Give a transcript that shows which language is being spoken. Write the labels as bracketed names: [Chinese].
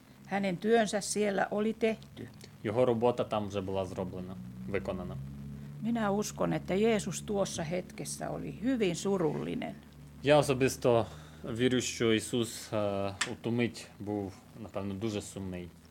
[Finnish] Hänen työnsä siellä oli tehty. [Ukrainian] Його робота там вже була зроблена, виконана. [Finnish] Minä uskon, että Jeesus tuossa hetkessä oli hyvin surullinen. [Ukrainian] Я особисто вірю, що Ісус у ту мить був, напевно, дуже сумний.